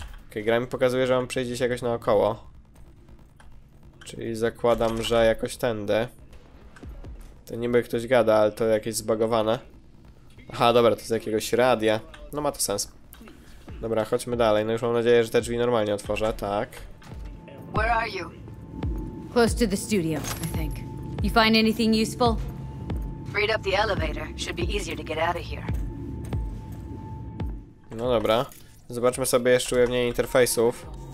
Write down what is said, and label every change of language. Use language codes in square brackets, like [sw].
[pl] Okej, gra mi pokazuje, że mam przejść gdzieś jakoś naokoło. Czyli zakładam, że jakoś tędy. To niby ktoś gada, ale to jakieś zbugowane. Aha, dobra, to z jakiegoś radia. No ma to sens. Dobra, chodźmy dalej. No już mam nadzieję, że te drzwi normalnie otworzę, tak. [en] Where are you? Close to the studio, I think. You find anything useful? Freed up the elevator. Should be easier to get out of here. [pl] No dobra. Zobaczmy sobie jeszcze ujawnienie interfejsów.